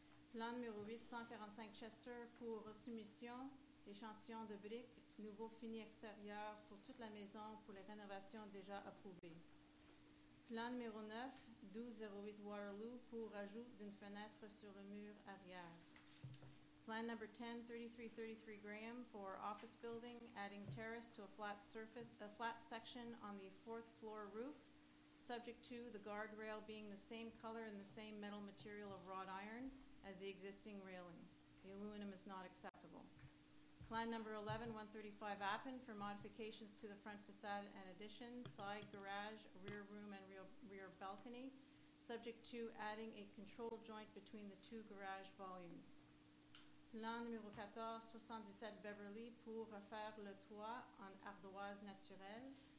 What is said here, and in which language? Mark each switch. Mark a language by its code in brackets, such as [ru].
[fr] Plan numéro 845 Chester pour soumission d'échantillons de briques, nouveau fini extérieur pour toute la maison pour les rénovations déjà approuvées. Plan numéro 9 1208 Waterloo pour ajout d'une fenêtre sur le mur arrière. [en] Plan number 10-3333 Graham for office building, adding terrace to a flat surface, a flat section on the fourth floor roof, subject to the guardrail being the same color and the same metal material of wrought iron as the existing railing. The aluminum is not acceptable. Plan number 11-135 Appen for modifications to the front facade and addition, side garage, rear room, and rear balcony, subject to adding a control joint between the two garage volumes. [fr] Plan numéro 14-77 Beverly pour refaire le toit en ardoise naturelle.